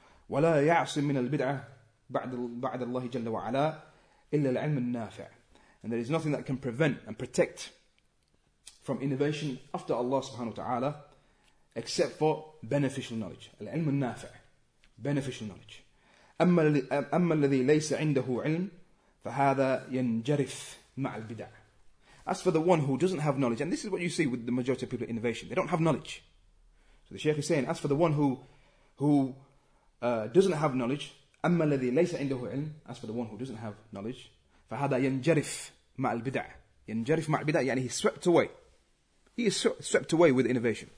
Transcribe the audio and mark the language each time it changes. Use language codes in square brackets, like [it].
[ar] وَلَا يَعْصِمْ مِنَ الْبِدْعَةِ بَعْدَ اللَّهِ جَلَّ وَعَلَىٰ إِلَّا الْعِلْمِ النَّافِعِ. [en] And there is nothing that can prevent and protect from innovation after Allah subhanahu wa ta'ala except for beneficial knowledge. [ar] العلم النافع. [en] Beneficial knowledge. [ar] أما الذي ليس عنده علم فهذا ينجرف مع البدع. [en] As for the one who doesn't have knowledge, and this is what you see with the majority of people in innovation, they don't have knowledge. So the Shaykh is saying, as for the one who doesn't have knowledge, [ar] أما الذي ليس عنده علم, [en] as for the one who doesn't have knowledge, [ar] فهذا ينجرف مع البدع. ينجرف مع البدع, [en] يعني he's swept away. He is swept away with innovation.